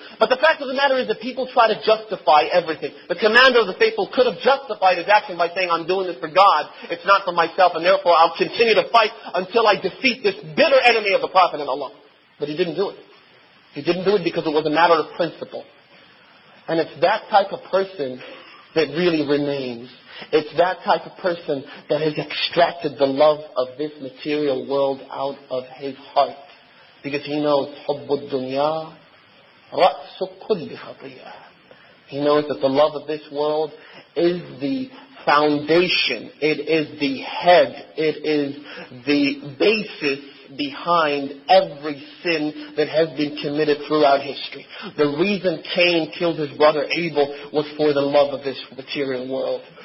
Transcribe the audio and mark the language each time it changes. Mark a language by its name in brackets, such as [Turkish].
[English] But the fact of the matter is that people try to justify everything. The commander of the faithful could have justified his action by saying, I'm doing this for God, it's not for myself, and therefore I'll continue to fight until I defeat this bitter enemy of the Prophet and Allah. But he didn't do it. He didn't do it because it was a matter of principle. And it's that type of person that really remains. It's that type of person that has extracted the love of this material world out of his heart. Because he knows, [Arabic] حُبُّ الدُّنْيَا رَأْسُ كُلِّ خَطِيَةٍ. [English] He knows that the love of this world is the foundation, it is the head, it is the basis behind every sin that has been committed throughout history. The reason Cain killed his brother Abel was for the love of this material world.